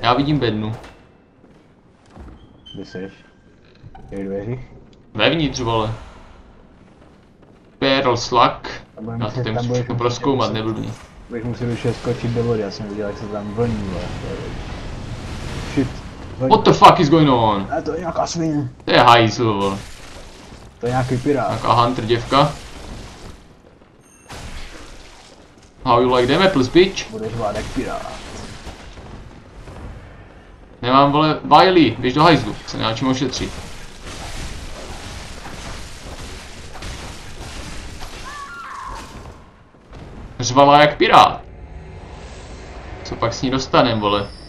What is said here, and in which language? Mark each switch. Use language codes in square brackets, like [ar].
[cs] Já vidím bednu. Kde seš? Je v dveřích? Vevnitř, vole. Pearl Slug. Já to tady musím všechno proskoumat, neblbni. Bych musel už skočit do vody, já jsem viděl, jak se tam vlní, vole. [en] Shit. What the fuck is going on? [cs] A to je nějaká svině. To je hajzl, vole. To je nějaký pirát. Nějaká hunter děvka. [en] How you like them apples, bitch? [cs] Budeš vlád jak pirát. Nemám, vole, Wiley, běž do hajzlu, se nemá čím ošetřit. Řvala jak pirát. Co pak s ní dostanem, vole?